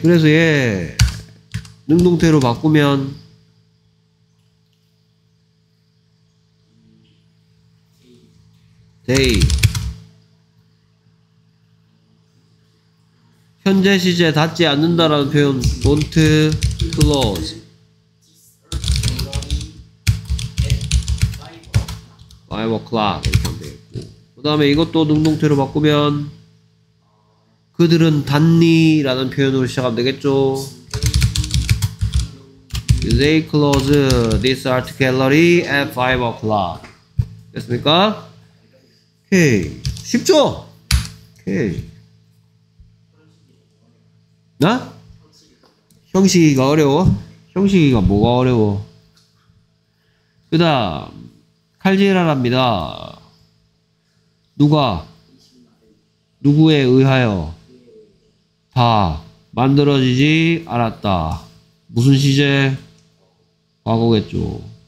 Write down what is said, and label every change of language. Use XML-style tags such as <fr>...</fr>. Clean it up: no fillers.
<ko>그래서 예 능동태로 바꾸면</ko> <en>they</en> <ko>현재 시제 닫지 않는다라는 표현</ko> <en>don't close 5 o'clock</en> <ko>이렇게 하면 되겠고 그 다음에 이것도 능동태로 바꾸면 그들은 닫니? 라는 표현으로 시작하면 되겠죠.</ko> <en>They close this art gallery at 5 o'clock</en> <ko>됐습니까? 오케이 쉽죠? 오케이 나? 형식이가 어려워? 형식이가 뭐가 어려워. 그 다음 칼질하랍니다. 누가 누구에 의하여 다 만들어지지 않았다. 무슨 시제? 과거겠죠.</ko>